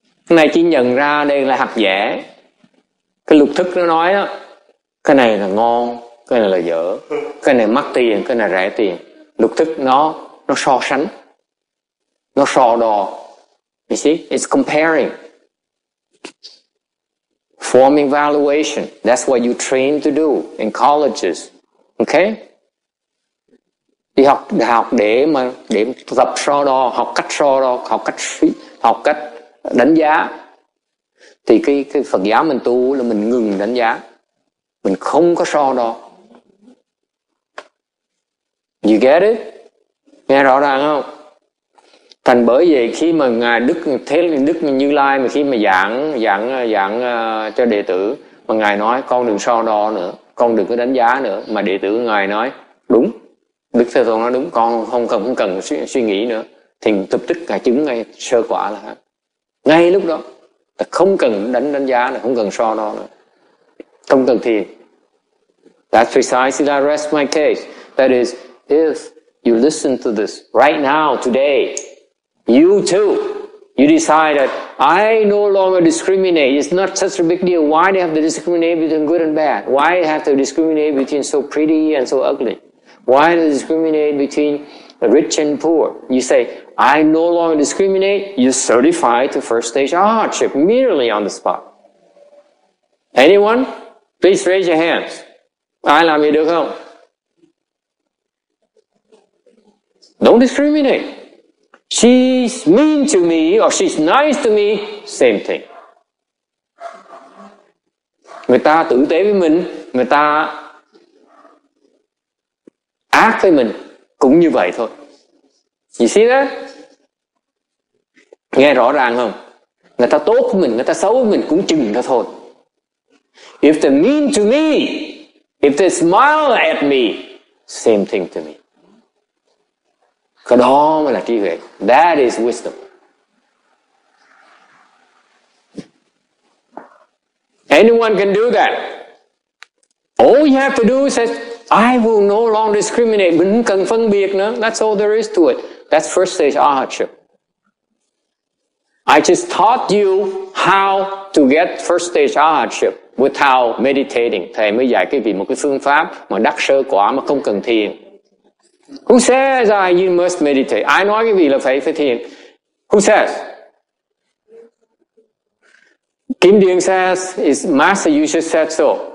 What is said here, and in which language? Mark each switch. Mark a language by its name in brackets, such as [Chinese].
[Vietnamese] Này chỉ nhận ra đây là hạt dẻ. Cái lục thức nó nói á, cái này là ngon. Cái này là dở, cái này mắc tiền, cái này rẻ tiền. Lục thức nó so sánh, nó so đo. [English] You see, it's comparing. Forming valuation, that's what you train to do in colleges. Okay? [Vietnamese] Đi học đại học để tập so đo, học cách so đo, học cách đánh giá. Thì cái Phật giáo mình tu là mình ngừng đánh giá. Mình không có so đo. [English] You get it? [Vietnamese] Nghe rõ ràng không? Thành bởi vậy khi mà ngài Đức Thế Đức Như Lai mà khi mà giảng cho đệ tử mà ngài nói con đừng so đo nữa, con đừng có đánh giá nữa, mà đệ tử ngài nói đúng, Đức Thế Tôn nói đúng, con không cần suy nghĩ nữa, thì lập tức ngài chứng ngay sơ quả là ngay lúc đó là không cần đánh giá nữa, không cần so đo nữa, không cần thiền. [English] That's precisely I rest my case. That is, if you listen to this right now, today, you too, you decide that I no longer discriminate. It's not such a big deal. Why do you have to discriminate between good and bad? Why do you have to discriminate between so pretty and so ugly? Why do you discriminate between rich and poor? You say, I no longer discriminate, you certify to first stage hardship immediately on the spot. Anyone? Please raise your hands. [Vietnamese] Ai làm gì được không? [English] Don't discriminate. She's mean to me or she's nice to me, same thing. [Vietnamese] Người ta tử tế với mình, người ta ác với mình cũng như vậy thôi. [English] You see that? [Vietnamese] Nghe rõ ràng không? Người ta tốt với mình, người ta xấu với mình cũng chừng đó thôi. [English] If they mean to me, if they smile at me, same thing to me. [Vietnamese] Cái đó mới là trí huệ. [English] That is wisdom. Anyone can do that. All you have to do is say, I will no longer discriminate. [Vietnamese] Mình không cần phân biệt nữa. [English] That's all there is to it. That's first stage arahatship. I just taught you how to get first stage arahatship without meditating. [Vietnamese] Thầy mới dạy quý vị một cái phương pháp mà đắc sơ quả mà không cần thiền. [English] Who says you must meditate? [Vietnamese] Ai nói quý vị là phải thiền? [English] Who says? Kim Dieng says, is Master, you just said so.